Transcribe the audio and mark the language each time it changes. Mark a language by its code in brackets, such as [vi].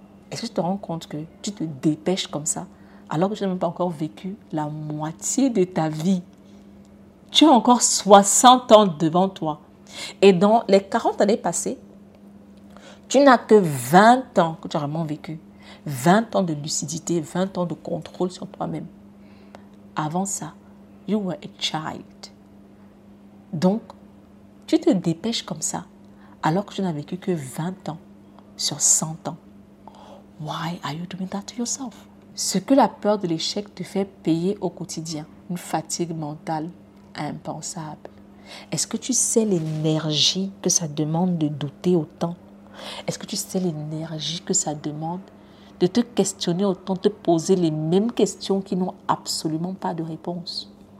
[fr] Est-ce que tu te rends compte que tu te dépêches comme ça alors que tu n'as même pas encore vécu la moitié de ta vie? Tu as encore 60 ans devant toi. Et dans les 40 années passées, tu n'as que 20 ans que tu as vraiment vécu. 20 ans de lucidité, 20 ans de contrôle sur toi-même. Avant ça, [en] you were a child. [fr] Donc, tu te dépêches comme ça, alors que tu n'as vécu que 20 ans sur 100 ans. [en] Why are you doing that to yourself? [fr] Ce que la peur de l'échec te fait payer au quotidien, une fatigue mentale impensable. Est-ce que tu sais l'énergie que ça demande de douter autant? Est-ce que tu sais l'énergie que ça demande de te questionner autant, de te poser les mêmes questions qui n'ont absolument pas de réponse?